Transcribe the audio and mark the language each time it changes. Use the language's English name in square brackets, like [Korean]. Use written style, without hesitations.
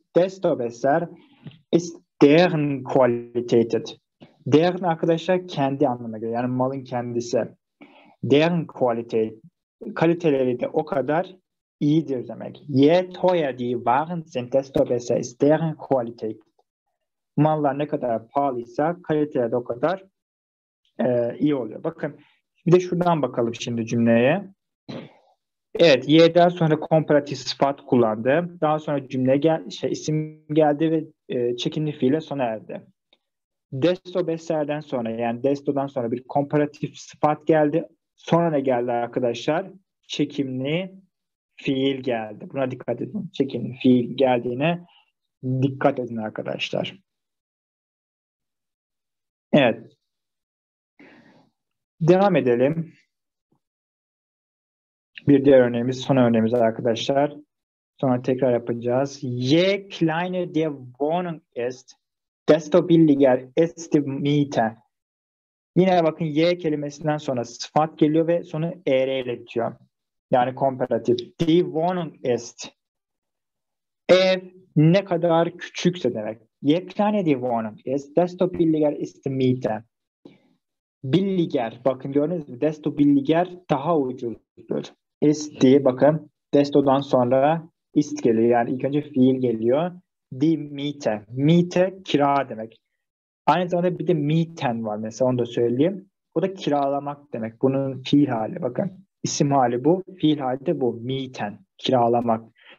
[German] Desto besser ist deren Qualität. [Turkish] Deren arkadaşlar kendi anlamına geliyor. Yani malın kendisi. [German] Deren Qualität. [Turkish] Kaliteleri de o kadar iyidir demek. [German] Je teuer die Waren sind, desto besser ist deren Qualität. [Turkish] Mallar ne kadar pahalıysa kaliteleri de o kadar iyi oluyor. Bakın bir de şuradan bakalım şimdi cümleye. Evet, Y'den sonra komparatif sıfat kullandı. Daha sonra cümle isim geldi ve çekindi fiile sona erdi. Desto besser'den sonra yani desto'dan sonra bir komparatif sıfat geldi. Sonra ne geldi arkadaşlar? Çekimli fiil geldi. Buna dikkat edin. Çekimli fiil geldiğine dikkat edin arkadaşlar. Evet. Devam edelim. Bir diğer örneğimiz, son örneğimiz arkadaşlar. Sonra tekrar yapacağız. [German] Je kleiner die Wohnung ist, desto billiger ist die Miete. [Turkish] Yine bakın je kelimesinden sonra sıfat geliyor ve sonu er ile bitiyor. Yani komparatif. [German] Die Wohnung ist. [Turkish] Ev ne kadar küçükse demek. [German] Je kleiner die Wohnung ist, desto billiger ist die Miete. [Turkish] Billiger, bakın gördünüz mü? [German] Desto billiger [Turkish] daha ucuzdur. Ist diye bakın. Desto'dan sonra ist geliyor. Yani ilk önce fiil geliyor. Die Miete. Miete kira demek. Aynı zamanda bir de Mieten var mesela. Onu da söyleyeyim. O da kiralamak demek. Bunun fiil hali. Bakın. İsim hali bu. Fiil hali de bu. Mieten. Kiralamak.